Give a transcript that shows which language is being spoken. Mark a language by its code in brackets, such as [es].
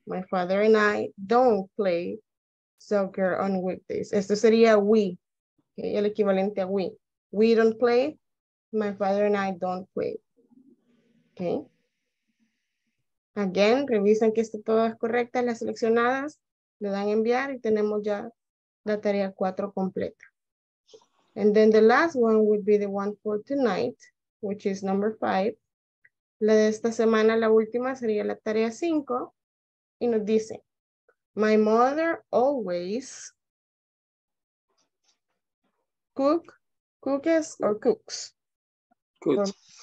[en] My father and I don't play soccer on weekdays. [es] Esto sería we, okay? El equivalente a we. [en] We don't play, my father and I don't play. Okay. [es] Again, revisan que esté todas correctas, las seleccionadas, le dan enviar y tenemos ya la tarea 4 completa. [en] And then the last one would be the one for tonight, which is number 5. [es] La de esta semana, la última, sería la tarea 5. Y nos dice, [en] my mother always cookies or cooks? Cook.